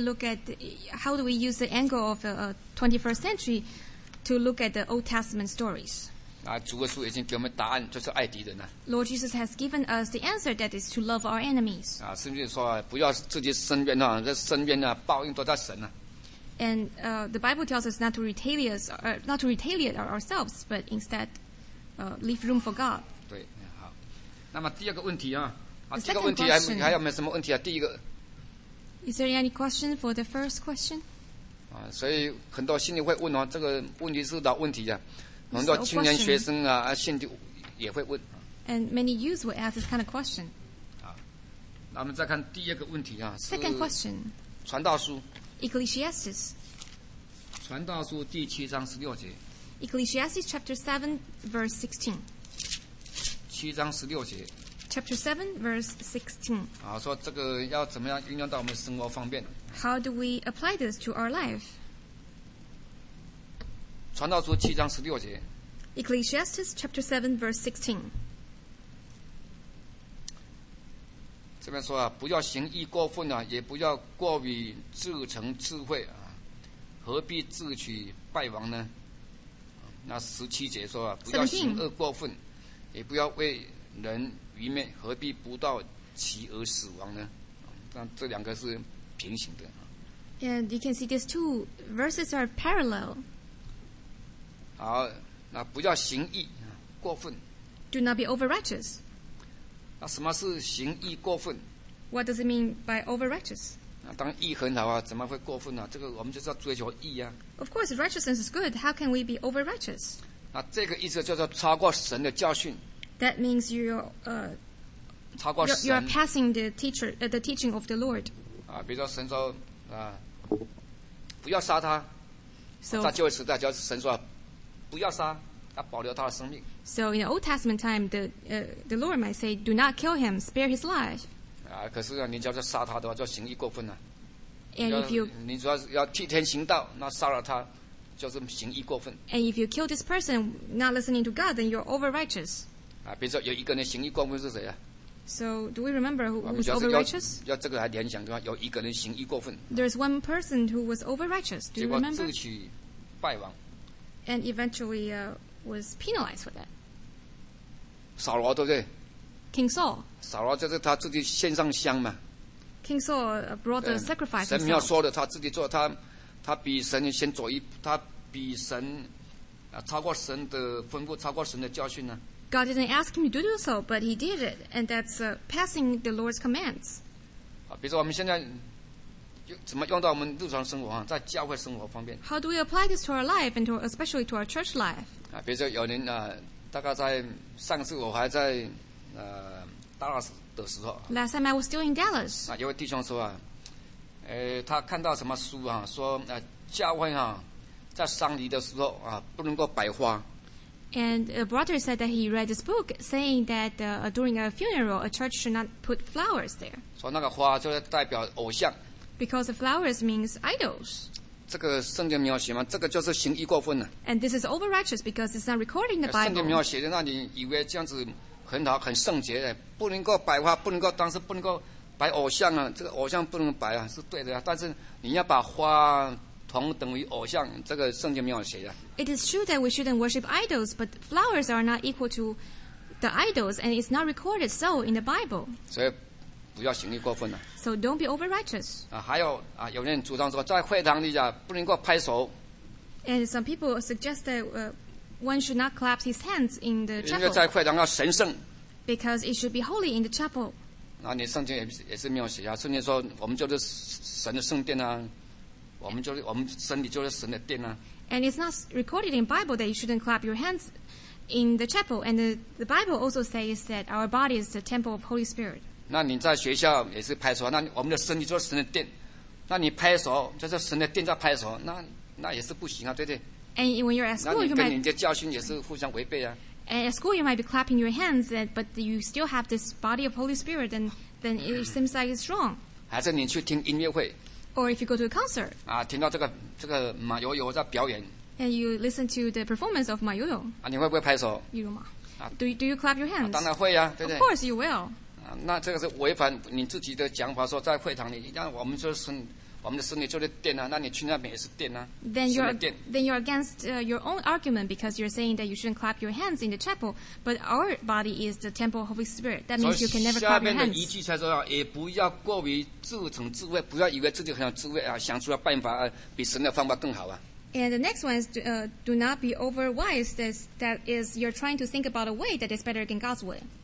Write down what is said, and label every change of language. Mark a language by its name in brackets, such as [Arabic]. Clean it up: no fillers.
[English] look at, how do we use the angle of the 21st century to look at the Old Testament stories? [Chinese] 啊，主耶稣已经给我们答案，就是爱敌人啊。 [English] Lord Jesus has given us the answer that is to love our enemies. [Chinese] 啊，甚至说不要自己申冤啊，这申冤啊，报应都在神啊。 [English] And the Bible tells us not to retaliate, not to retaliate ourselves, but instead leave room for God. [Chinese] 对，好。那么第二个问题啊，啊，这个问题还有没有什么问题啊？第一个。 [English] Is there any question for the first question? [Chinese] 啊，所以很多心里会问哦，这个问题是老问题啊，很多青年学生啊，心里也会问。 [English] And many youths will ask this kind of question. [Chinese] 好，那我们再看第二个问题啊。 [English] Second question. [Chinese] 传道书。 [English] Ecclesiastes. [Chinese] 传道书第七章十六节。 [English] Ecclesiastes chapter 7 verse 16. [Chinese] 七章十六节。 [English] Chapter 7 verse 16. [Chinese] 啊，说这个要怎么样运用到我们生活方面。 [English] How do we apply this to our life? [Chinese] 传道书七章十六节。 [English] Ecclesiastes chapter 7 verse 16. [Chinese] 这边说啊，不要行义过分啊，也不要过于自成智慧啊，何必自取败亡呢？那十七节说啊，不要行恶过分，也不要为人愚昧，何必不到其而死亡呢？那这两个是平行的。 [English] And you can see these two verses are parallel. [Chinese] 好，那不要行义过分。 [English] Do not be over righteous. [Chinese] 那什么是行义过分 [English] ？What does it mean by over righteous？ [Chinese] 啊，当义很好啊，怎么会过分呢、啊？这个我们就是要追求义啊。 [English] Of course, righteousness is good. How can we be over righteous？ [Chinese] 那这个意思叫做超过神的教训。 [English] That means you're [Chinese] 超过神。 [English] You're passing the teacher, the teaching of the Lord. [Chinese] 啊，比如说神说啊，不要杀他。 [English] So [Chinese] 在旧约时代，就是神说不要杀。要保留他的生命。 [English] So in the Old Testament time, the Lord might say, "Do not kill him, spare his life." [Chinese] 啊，可是啊，你只要杀他的话，就行义过分了。 [English] And if you [Chinese] 你主要是要替天行道，那杀了他就是行义过分。 [English] And if you kill this person not listening to God, then you're over righteous. [Chinese] 啊，比如说有一个人行义过分是谁啊 [English] ？So do we remember who's over righteous? [Chinese] 要这个来联想的话，有一个人行义过分。 [English] There's one person who was over righteous. Do you remember? [Chinese] 结果自取败亡。 [English] And eventually, was penalized for that. [Chinese] 扫罗对不对 [English] ？King Saul. [Chinese] 扫罗就是他自己献上香嘛。 [English] King Saul brought the sacrifice. [Chinese] 神没有说的，他自己做，他比神先走一步，他比神啊超过神的吩咐，超过神的教训呢。 [English] God didn't ask him to do so, but he did it, and that's passing the Lord's commands. [Chinese] 啊，比如说我们现在怎么用到我们日常生活啊，在教会生活方面。 [English] How do we apply this to our life and especially to our church life? [Chinese] 啊，比如说有人啊，大概在上次我还在Dallas 的时候 [English] ，Last time I was still in Dallas。 [Chinese] 啊，有位弟兄说啊，他看到什么书啊，说教会啊，在丧礼的时候啊，不能够摆花。 [English] And a brother said that he read this book saying that during a funeral, a church should not put flowers there。 [Chinese] 说那个花就是代表偶像。 [English] Because the flowers means idols。 [Chinese] 这个圣经没有写吗？这个就是行义过分了。 [English] And this is over righteous because it's not recording the Bible. [Chinese] 圣经没有写的，那你以为这样子很好、很圣洁的，不能够摆花，不能够当时不能够摆偶像啊，这个偶像不能摆啊，是对的啊。但是你要把花同等于偶像，这个圣经没有写的。 [English] It is true that we shouldn't worship idols, but flowers are not equal to the idols, and it's not recorded so in the Bible. [Chinese] 所以不要行义过分了。 [English] So don't be over righteous. [Chinese] 啊，还有啊，有人主张说，在会堂里啊，不能够拍手。 [English] And some people suggest that one should not clap his hands in the chapel. [Chinese] 因为在会堂要神圣。 [English] Because it should be holy in the chapel. [Chinese] 那你圣经也是没有写啊，圣经说我们就是神的圣殿啊，我们身体就是神的殿啊。 [English] And it's not recorded in Bible that you shouldn't clap your hands in the chapel. And the Bible also says that our body is the temple of Holy Spirit. [Chinese] 那你在学校也是拍手，那我们的身体就是神的殿，那你拍手就是神的殿在拍手，那也是不行啊，对不对 [English] ？And when you're at school, you might [Chinese] 那你跟人家教训也是互相违背啊。 [English] And at school, you might be clapping your hands, but you still have this body of Holy Spirit, and then it seems like it's wrong. [Chinese] 还是你去听音乐会 [English] ，or if you go to a concert. [Chinese] 啊，听到这个马友友在表演 [English] ，and you listen to the performance of 马友友。 [Chinese] 啊，你会不会拍手？比如嘛。 [English] 啊 ，do you clap your hands？ [Chinese] 啊，当然会啊，对不对 [English] ？Of course, you will. [Chinese] 那这个是违反你自己的讲法，说在会堂里，那我们就是我们的圣殿就是殿啊，那你去那边也是殿啊。 [English] Then you're against your own argument because you're saying that you shouldn't clap your hands in the chapel, but our body is the temple of Holy Spirit. That means you can never clap your hands. [Chinese] 下面的一句才重要，也不要过于自成自慧，不要以为自己很有智慧啊，想出了办法啊，比神的方法更好啊。 [English] And the next one is do not be over wise. That is, you're trying to think about a way that is better than God's way.